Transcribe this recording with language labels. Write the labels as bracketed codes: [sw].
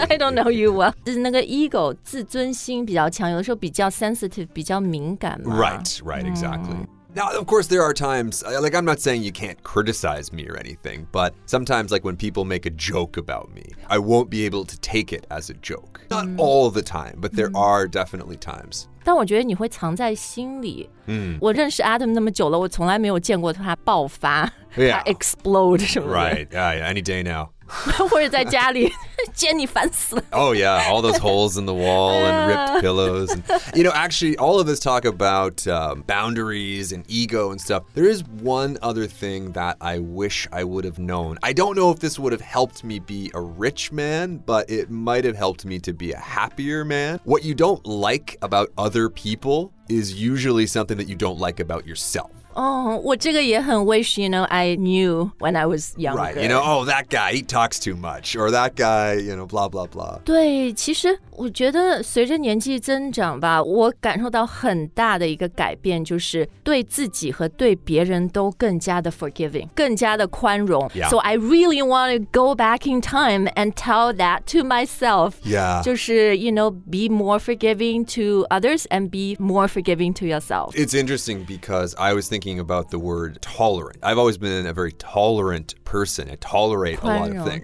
[en] I don't know you well. [zh] 就是那个 ego, 自尊心比较强，有的时候比较 sensitive, 比较敏感嘛。 [en] Right, right, exactly. Now, of course, there are times, like, I'm not saying you can't criticize me or anything, but sometimes, like, when people make a joke about me, I won't be able to take it as a joke. Not all the time, but there are definitely times. [zh] 但我觉得你会藏在心里。我认识 Adam 那么久了，我从来没有见过他爆发， [en] yeah. [zh] 他 explode 什么的。 [en] Right, yeah, yeah, any day now. [zh] 或者在家里见你烦死了。 [en] Oh yeah, all those holes in the wall and ripped pillows. And, you know, actually, all of this talk about boundaries and ego and stuff, there is one other thing that I wish I would have known. I don't know if this would have helped me be a rich man, but it might have helped me to be a happier man. What you don't like about other people is usually something that you don't like about yourself. Oh, [zh] 我这个也很 [en] wish, you know, I knew when I was younger. Right, you know, oh, that guy, he talks too much. Or that guy, you know, blah, blah, blah. [zh] 对，其实我觉得随着年纪增长吧，我感受到很大的一个改变，就是对自己和对别人都更加的 forgiving, 更加的宽容。 [en] Yeah. So I really want to go back in time and tell that to myself. Yeah. [zh] 就是, [en] you know, be more forgiving to others and be more forgiving to yourself. It's interesting because I was thinking about the word tolerant. I've always been a very tolerant person. I tolerate a lot of things.